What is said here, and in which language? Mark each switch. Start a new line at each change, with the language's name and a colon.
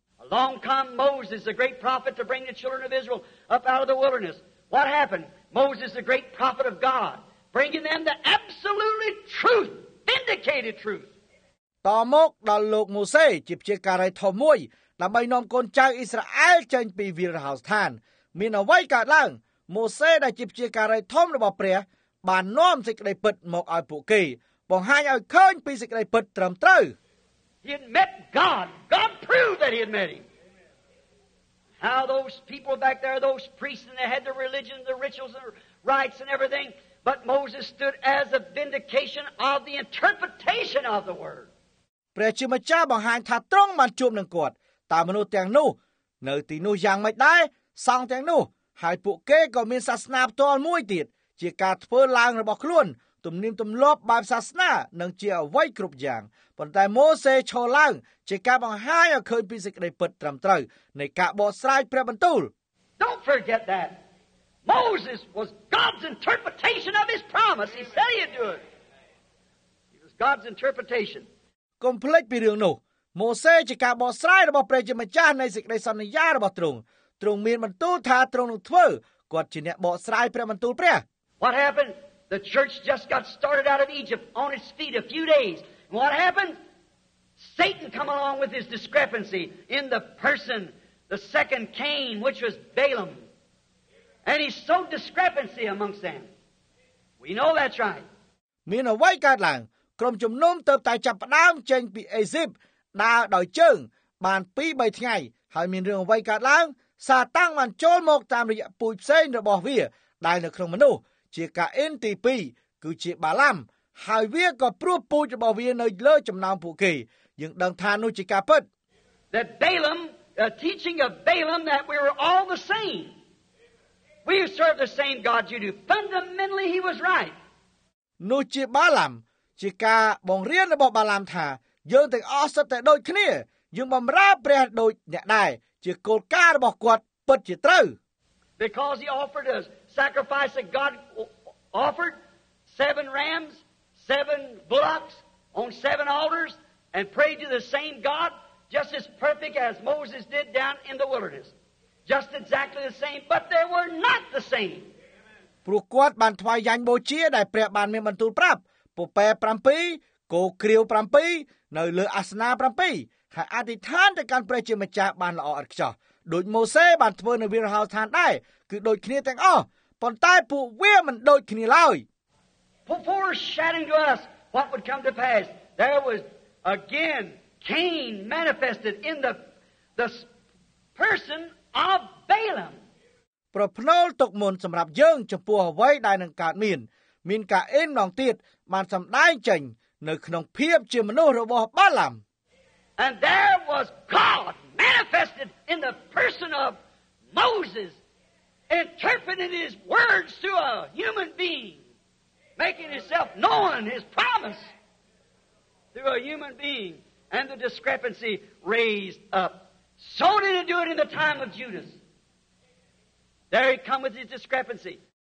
English: Along come Moses the great prophet to bring the children of Israel up out of the wilderness What happened Moses the great prophet of God bringing them the absolutely truth vindicated truth
Khmer: តមកដល់លោកម៉ូសេជាព្យាការីធំមួយដើម្បីនាំកូនចៅអ៊ីស្រាអែលចេញពីវាលរហោស្ថានមានអ្វីកើតឡើងម៉ូសេដែលជាព្យាការីធំរបស់ព្រះបាននាំសេចក្តីពិតមកឲ្យពួកគេបង្ហាញឲ្យឃើញពីសេចក្តីពិតត្រឹមត្រូវ
English: He met God. God proved that he had met him. How those people back there, those priests and they had their religion, their rituals and rites and everything, but Moses stood as a vindication of the interpretation of the word.
Khmer: ព្រះជាម្ចាស់បង្ហាញថាត្រង់បានជួបនឹងគាត់តាមមនុស្សទាំងនោះនៅទីនោះយ៉ាងម៉េចដែរសង្ឃទាំងនោះ ហើយពួកគេក៏មានសាសនាផ្ទាល់មួយទៀតជាការធ្វើឡើងរបស់ខ្លួនទំនៀមទម្លាប់បែបសាសនានិងជាអ្វីគ្រប់យ៉ាងប៉ុន្តែម៉ូសេឈរឡើងជាការបង្ហាញឲ្យឃើញពីសេចក្តីពិតត្រឹមត្រូវនៃការបកស្រាយព្រះបន្ទូល
English: Don't forget that Moses was God's interpretation of his promise. He said he'd do it. He was God's interpretation.
Khmer: កុំភ្លេចពីរឿងនោះម៉ូសេជាការបកស្រាយរបស់ព្រះជាម្ចាស់នៃសេចក្តីសន្យារបស់ទ្រង់ទ្រង់មានបន្ទូលថាទ្រង់នឹងធ្វើគាត់ជាអ្នកបកស្រាយព្រះបន្ទូលព្រះ
English: What happened? The church just got started out of Egypt on its feet a few days. And what happened? Satan come along with his discrepancy in the person, the second Cain, which was Balaam. And he sowed discrepancy amongst them. We know that's right.
Khmer: មានអ្វីកើតឡើងក្រុមជំនុំទើបតែចាប់ផ្ដើមចេញពីអេស៊ីបដើរដោយជើងបាន2-3ថ្ងៃហើយមានរឿងអ្វីកើតឡើងសាតាំងបានចូលមកតាមរយៈពូជផ្សេងរបស់វាដែលនៅក្នុងមនុស្សជាកាអិនទី2គឺជាបាឡាំហើយវាក៏ព្រោះពូជរបស់វានៅលើចំណោមពួកគេយើងដឹងថានោះជាការពិត
English: That Balaam the teaching of Balaam that we were all the same we serve the same God you do fundamentally he was right
Khmer: នោះជាបាឡាំជាការបង្រៀនរបស់បាឡាំថាយើងទាំងអស់សុទ្ធតែដូចគ្នាយើងបម្រើព្រះដូចអ្នកដែរជាគោលការណ៍របស់គាត់ពិតជាត្រូវ
English: Because he offered us sacrifice that God offered 7 rams 7 bullocks on 7 altars and prayed to the same God just as perfect as Moses did down in the wilderness just exactly the same but they were not the same
Khmer: ព្រោះគាត់បានថ្វាយយ៉ាញ់បូជាដែលព្រះបានមានបន្ទូលប្រាប់ពពែ7គោក្រៀវ7នៅលើអាសនា7ហើយអធិដ្ឋានទៅកាន់ព្រះជាម្ចាស់បានល្អឥតខ្ចោះដូចម៉ូសេបានធ្វើនៅវាលហោស្ថានដែរគឺដូចគ្នាទាំងអស់ប៉ុន្តែពួកវាមិនដូចគ្នាឡើយ
English: Before shouting to us what would come to pass there was again Cain manifested in the person of Balaam
Khmer: ប្រផ្នូលទុកមុនសម្រាប់យើងចំពោះអ្វីដែលនឹងកើតមានមានកាអិនម្ដងទៀតបានសម្ដែងចេញនៅក្នុងភាពជាមនុស្សរបស់បាឡាំ
English: And there was God manifested in the person of Moses interpreting his words to a human being making himself known his promise to a human being and the discrepancy raised up so did he do it in the time of Judas there he come with his discrepancy